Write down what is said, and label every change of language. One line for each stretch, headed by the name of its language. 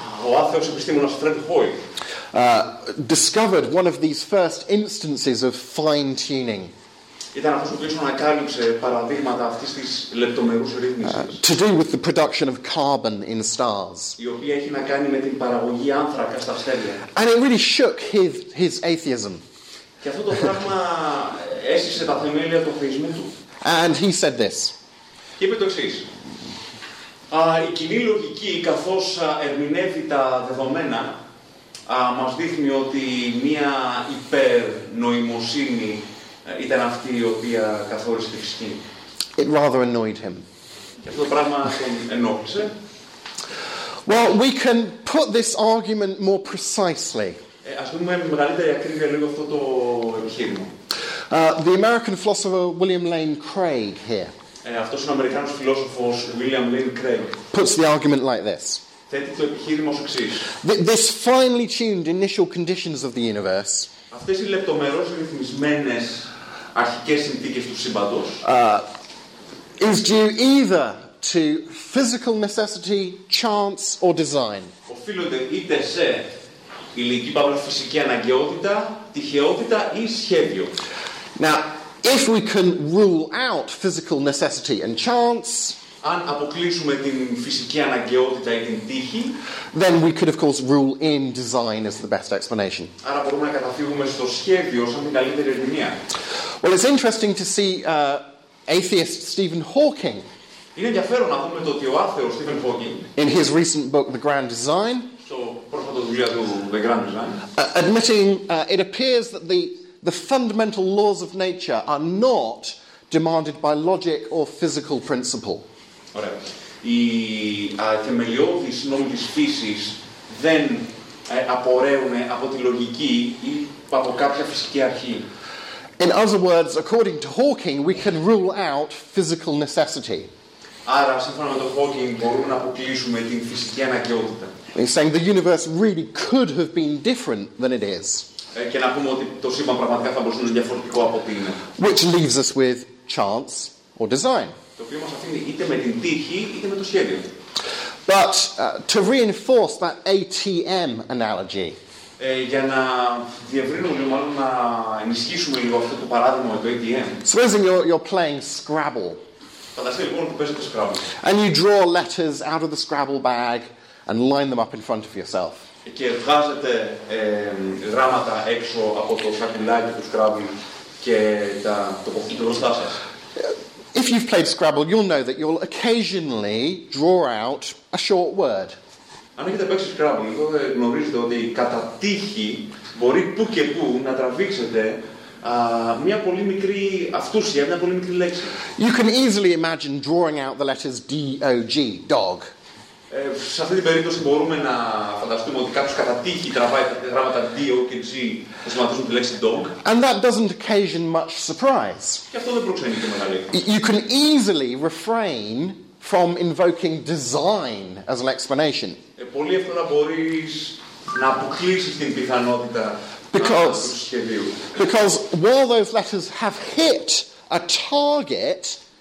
Greek: Ο άθεος επιστήμονας Fred Hoyle.
English: Discovered one of these first instances of fine tuning.
Greek: Ήταν αυτός ο οποίος ανακάλυψε παραδείγματα αυτής της λεπτομερούς ρύθμισης.
English: To do with the production of carbon in stars.
Greek: Η οποία έχει να κάνει με την παραγωγή άνθρακα στα αστέρια.
English: And it really shook his atheism.
Greek: Και αυτό το πράγμα έσυσε τα θεμέλια του θεϊσμού του.
English: And he said this.
Greek: Και είπε το εξής. Η κοινή λογική, καθώς ερμηνεύει τα δεδομένα, μας δείχνει ότι μία υπερνοημοσύνη ήταν αυτή η οποία καθόρισε τη φυσική.
English: It rather annoyed him.
Greek: Και αυτό το πράγμα τον ενόχλησε.
English: Well, we can put this argument more precisely.
Greek: Ας πούμε με μεγαλύτερη ακρίβεια λίγο αυτό το επιχείρημα.
English: The American philosopher William Lane Craig here.
Greek: Αυτός είναι ο Αμερικάνος φιλόσοφος William Lane Craig.
English: Puts the argument like this.
Greek: Θέτει το επιχείρημα ως εξής.
English: This finely tuned initial conditions of the universe.
Greek: Αυτές οι λεπτομερώς ρυθμισμένες αρχικές συνθήκες του σύμπαντος
English: is due either to physical necessity, chance or design.
Greek: Οφείλονται είτε σε υλική παύλα φυσική αναγκαιότητα, τυχαιότητα ή σχέδιο.
English: Now, if we can rule out physical necessity and chance,
Greek: αν αποκλείσουμε την φυσική αναγκαιότητα ή την τύχη,
English: then we could of course rule in design as the best explanation.
Greek: Άρα μπορούμε να καταφύγουμε στο σχέδιο σαν την καλύτερη ερμηνεία.
English: Well, it's interesting to see atheist Stephen Hawking.
Greek: Είναι ενδιαφέρον να δούμε το ότι ο άθεος Stephen Hawking,
English: in his recent book The Grand Design,
Greek: στο πρόσφατο δουλειά του The Grand Design,
English: admitting it appears that the fundamental laws of nature are not demanded by logic or physical principle.
Greek: Ωραία. Οι θεμελιώδεις νόμοι της φύσης δεν απορρέουν από τη λογική ή από κάποια φυσική αρχή.
English: In other words, according to Hawking, we can rule out physical necessity.
Greek: Άρα, σύμφωνα με τον Hawking, μπορούμε να αποκλείσουμε την φυσική αναγκαιότητα.
English: He's saying the universe really could have been different than it is.
Greek: Και να πούμε ότι το σύμπαν πραγματικά θα μπορούσε να είναι διαφορετικό από ό,τι είναι.
English: Which leaves us with chance or design.
Greek: Το οποίο μας αφήνει είτε με την τύχη είτε με το σχέδιο.
English: But to reinforce that ATM analogy.
Greek: Για να διευρύνουμε λίγο, μάλλον να ενισχύσουμε λίγο αυτό το παράδειγμα με το ATM.
English: Supposing you're playing Scrabble.
Greek: Φανταστείτε λοιπόν που παίζετε Scrabble.
English: And you draw letters out of the Scrabble bag and line them up in front of yourself.
Greek: Και βγάζετε γράμματα έξω από το σακουλάκι του Scrabble και τα τοποθετείτε μπροστά σας.
English: If you've played Scrabble, you'll know that you'll occasionally draw out a short word.
Greek: Αν έχετε παίξει Scrabble, τότε γνωρίζετε ότι κατά τύχη μπορεί που και που να τραβήξετε μια πολύ μικρή αυτούσια, μια πολύ μικρή λέξη.
English: You can easily imagine drawing out the letters D-O-G, dog.
Greek: Σε αυτή την περίπτωση μπορούμε να φανταστούμε ότι κάποιος κατά τύχη τραβάει τα γράμματα D, O και G που σχηματίζουν τη λέξη dog.
English: And that doesn't occasion much surprise.
Greek: Και αυτό δεν προξενεί και μεγάλη.
English: You can easily refrain from invoking design as an explanation.
Greek: Πολύ εύκολα μπορείς να αποκλείσεις την πιθανότητα
English: because,
Greek: του σχεδίου.
English: Because while those letters have hit a target,